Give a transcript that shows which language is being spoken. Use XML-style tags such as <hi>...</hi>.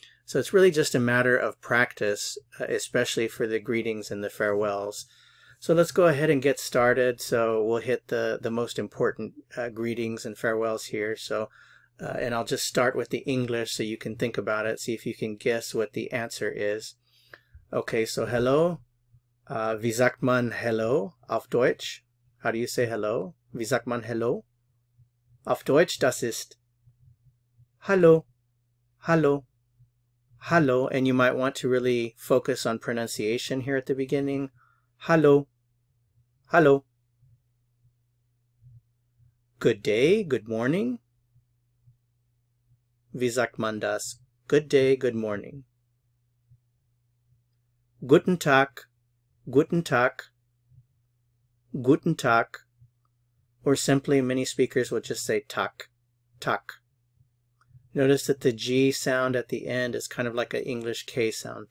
<en>So it's really just a matter of practice, especially for the greetings and the farewells. So let's go ahead and get started. So we'll hit the most important greetings and farewells here. And I'll just start with the English so you can think about it, see if you can guess what the answer is. Okay, so hello.</en> <de>Wie sagt man hello auf Deutsch?</de> <en>How do you say hello?</en> <de>Wie sagt man hello? Auf Deutsch, das ist hallo, hallo, hallo.</de> <en>And you might want to really focus on pronunciation here at the beginning.</en> <de>Hallo, hallo.</de> <en>Good day, good morning.</en> <de>Wie sagt man das?</de> <en>Good day, good morning.</en> <de>Guten Tag, guten Tag, guten Tag.</de> <en>Or simply, many speakers will just say Tag, Tag. Notice that the G sound at the end is kind of like an English K sound.</en>